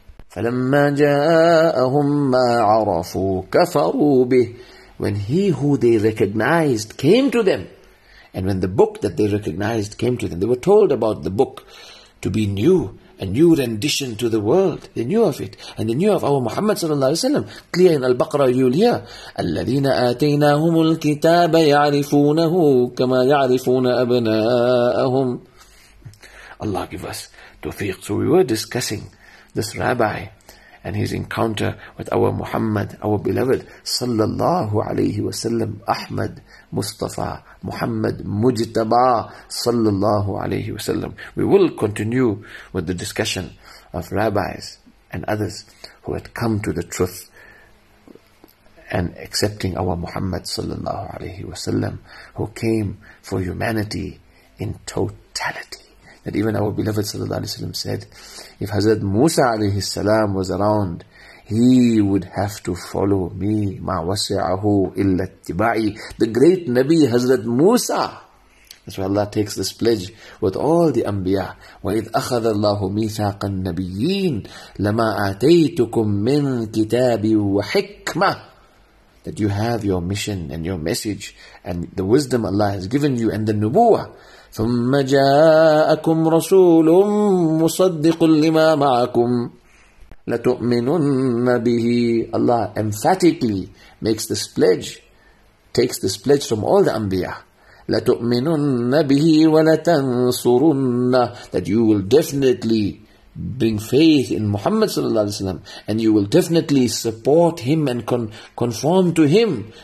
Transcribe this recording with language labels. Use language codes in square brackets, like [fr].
[ar] فَلَمَّا جَاءَهُمْ مَا عَرَفُوا كَفَرُوا بِهِ. [en] When he who they recognized came to them, and when the book that they recognized came to them, they were told about the book to be new, a new rendition to the world. They knew of it, and they knew of our Muhammad sallallahu alaihi wasallam. Clear in Al-Baqarah, you'll hear, [ar] الَّذِينَ آتَيْنَاهُمُ الْكِتَابَ يَعْرِفُونَهُ كَمَا يَعْرِفُونَ أَبْنَاءَهُمْ. [en] Allah give us tawfiq. So we were discussing this rabbi and his encounter with our Muhammad, our beloved, sallallahu alayhi wa sallam, Ahmad, Mustafa, Muhammad, Mujtaba, sallallahu alayhi wa sallam. We will continue with the discussion of rabbis and others who had come to the truth and accepting our Muhammad, sallallahu alayhi wa sallam, who came for humanity in totality. That even our beloved sallallahu alayhi wa sallam said, if Hazrat Musa alayhi salam was around, he would have to follow me. [ar] Ma wasi'ahu illa tiba'i. [en] The great Nabi Hazrat Musa. That's why Allah takes this pledge with all the anbiya. [ar] وَإِذْ أَخَذَ اللَّهُ مِيثَاقَ النَّبِيِّينَ لَمَا آتَيْتُكُم مِّن كِتَابٍ وَحِكْمَةٍ. [en] That you have your mission and your message and the wisdom Allah has given you and the nubuwa. [ar] ثم جاءكم رسول مصدق لما معكم لتؤمنن به. [en] Allah emphatically makes this pledge, takes this pledge from all the anbiya. [ar] لتؤمنن به ولتنصرن. [en] That you will definitely bring faith in Muhammad sallallahu alaihi wasallam, and you will definitely support him and conform to him.